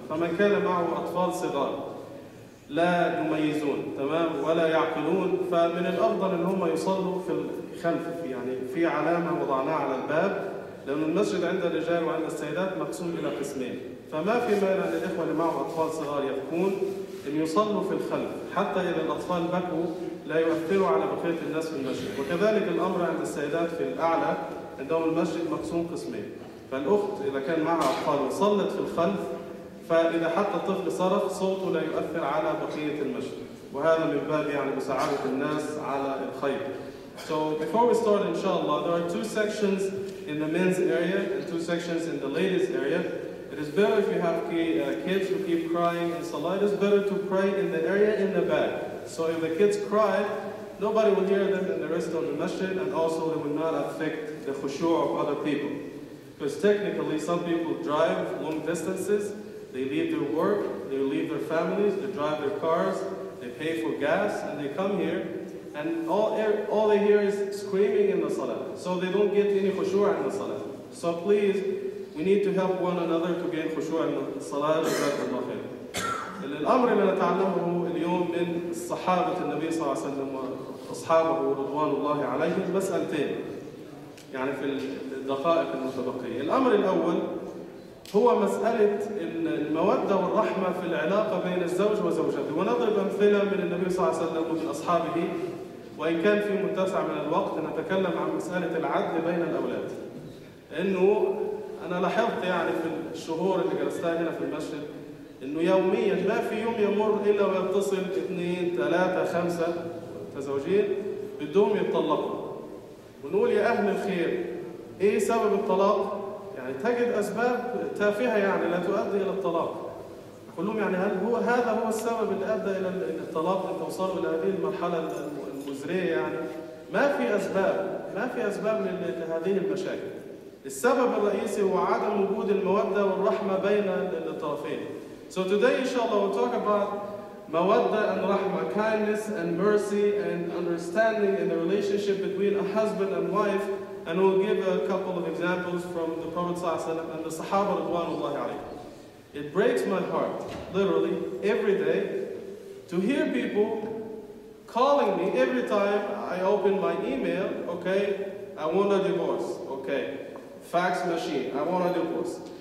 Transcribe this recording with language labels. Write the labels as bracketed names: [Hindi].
[Arabic] فمن كان معه أطفال صغار لا يميزون، تمام، ولا يعقلون، فمن الأفضل إن هم يصلوا في الخلف، يعني في علامة وضعناها على الباب، لأن المسجد عند الرجال وعند السيدات مقسوم إلى قسمين، فما في مانع للإخوة اللي معه أطفال صغار يبكون إن يصلوا في الخلف، حتى إذا الأطفال بكوا لا يؤثروا على بقية الناس في المسجد. وكذلك الأمر عند السيدات في الأعلى، عندهم المسجد مقسوم قسمين، فالأخت إذا كان معها أطفال وصلت في الخلف، فإذا حتى الطفل صرخ صوته لا يؤثر على بقية المسجد، وهذا من باب يعني مساعدة الناس على الخير. [English] So before we start, inshallah, there are two sections in the men's area and two sections in the ladies' area. It is better if you have kids who keep crying in salah, it is better to pray in the area in the back. So if the kids cry, nobody will hear them in the rest of the masjid, and also they will not affect the khushu' of other people. Because technically, some people drive long distances, they leave their work, they leave their families, they drive their cars, they pay for gas, and they come here, and all they hear is screaming in the salah. So they don't get any khushu' in the salah. So please, we need to help one another to gain khushu' in the salah. [Arabic] Jazakallahu khair. الأمر اللي نتعلمه اليوم من صحابة النبي صلى الله عليه وسلم وأصحابه رضوان الله عليهم مسألتين، يعني في الدقائق المتبقية. الأمر الأول هو مسألة المودة والرحمة في العلاقة بين الزوج وزوجته، ونضرب أمثلة من النبي صلى الله عليه وسلم ومن أصحابه، وإن كان في متسع من الوقت نتكلم عن مسألة العدل بين الأولاد. إنه أنا لاحظت يعني في الشهور اللي جلستها هنا في المسجد إنه يومياً ما في يوم يمر إلا ويتصل 2-3-5 تزوجين بدهم يتطلقوا، ونقول يا أهل الخير إيه سبب الطلاق؟ يعني تجد أسباب تافهة يعني لا تؤدي إلى الطلاق. كلهم يعني هل هو هذا هو السبب اللي أدى إلى الطلاق أن توصلوا إلى هذه المرحلة المزرية؟ يعني ما في أسباب لهذه المشاكل. السبب الرئيسي هو عدم وجود المودة والرحمة بين الطرفين. [English] So today, inshallah, we'll talk about mawadda and rahma, kindness and mercy and understanding in the relationship between a husband and wife. And we'll give a couple of examples from the Prophet ﷺ and the Sahaba radhiyallahu anhum. It breaks my heart, literally, every day, to hear people calling me every time I open my email, okay, I want a divorce, okay, fax machine, I want a divorce.